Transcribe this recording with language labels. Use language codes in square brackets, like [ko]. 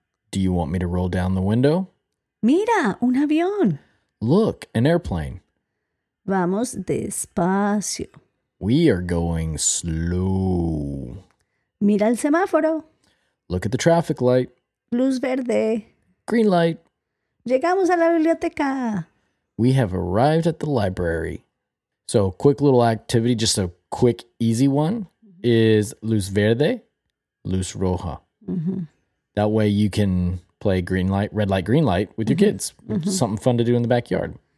[en] Do you want me to roll down the window? [es] Mira, un avión. [en] Look, an airplane. [es] Vamos despacio. [en] We are going slow. [es] Mira el semáforo. [en] Look at the traffic light. [es] Luz verde. [en] Green light. [es] Llegamos a la biblioteca. [en] We have arrived at the library. So, quick little activity, just a quick, easy one, is [es] luz verde, luz roja. [en] Mm-hmm. That way you can play green light, red light, green light with your mm-hmm. kids. Mm-hmm. Something fun to do in the backyard.